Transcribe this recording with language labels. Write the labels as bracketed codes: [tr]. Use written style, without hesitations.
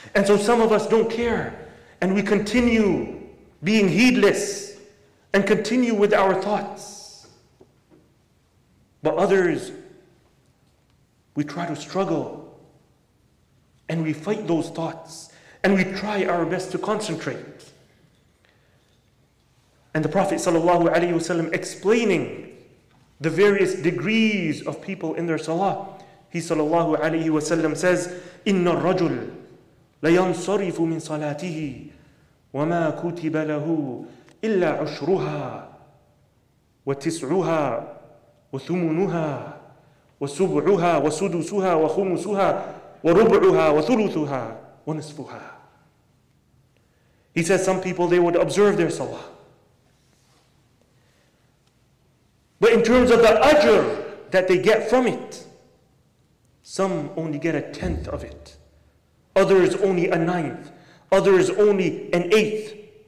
[en] And so some of us don't care, and we continue being heedless and continue with our thoughts. But others, we try to struggle and we fight those thoughts and we try our best to concentrate. And the Prophet ﷺ explaining the various degrees of people in their salah, he ﷺ says, [ar] إِنَّ الرَّجُلْ لَيَنْصَرِفُ مِنْ صَلَاتِهِ وَمَا كُتِبَ لَهُ إِلَّا عُشْرُهَا وَتِسْعُهَا وَثُمُنُهَا وَسُبْعُهَا وَسُدُسُهَا وَخُمُسُهَا وَرُبْعُهَا وَثُلُثُهَا وَنِصْفُهَا. [en] He says some people, they would observe their salah, but in terms of the ajr that they get from it, some only get a tenth of it. Others only a ninth. Others only an eighth.